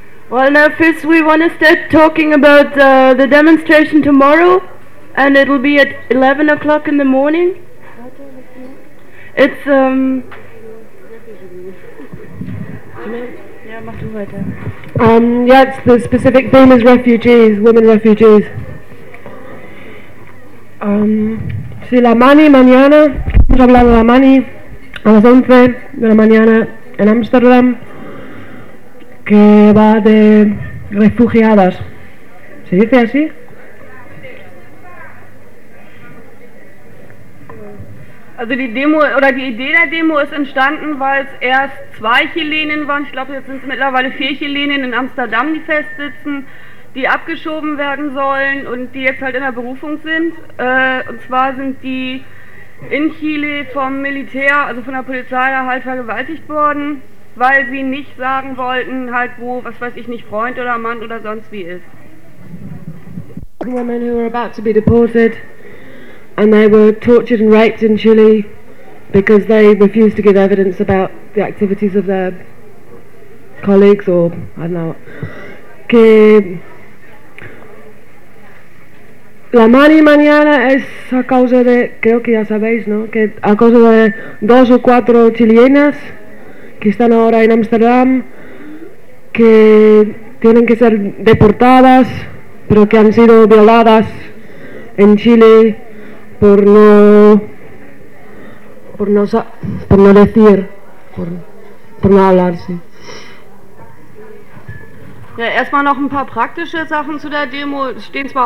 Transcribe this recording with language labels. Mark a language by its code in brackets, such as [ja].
[en] Well, now first we want to start talking about the demonstration tomorrow, and it'll be at 11 o'clock in the morning. It's yeah, it's the specific theme is refugees, women refugees. [es] Si la mani mañana, vamos a hablar de la mani a las 11 de la mañana en Amsterdam. Que va de refugiadas. ¿Se dice así? [de] Also die Demo oder die Idee der Demo ist entstanden, weil es erst zwei Chilenen waren. Ich glaube, jetzt sind es mittlerweile vier Chilenen in Amsterdam, die festsitzen, die abgeschoben werden sollen und die jetzt halt in der Berufung sind. Und zwar sind die in Chile vom Militär, also von der Polizei, halt vergewaltigt worden, weil sie nicht sagen wollten, halt wo, was weiß ich nicht, Freund oder Mann oder sonst wie ist. [en] Women who were about to be deported and they were tortured and raped in Chile because they refused to give evidence about the activities of their colleagues or, I don't know. [es] Que la mani mañana es a causa de, creo que ya sabéis, ¿no? Que a causa de dos o cuatro chilenas que están ahora en Amsterdam, que tienen que ser deportadas, pero que han sido violadas en Chile por no hablarse. [de] Ja, erstmal noch ein paar praktische Sachen zu der Demo. Stehen zwar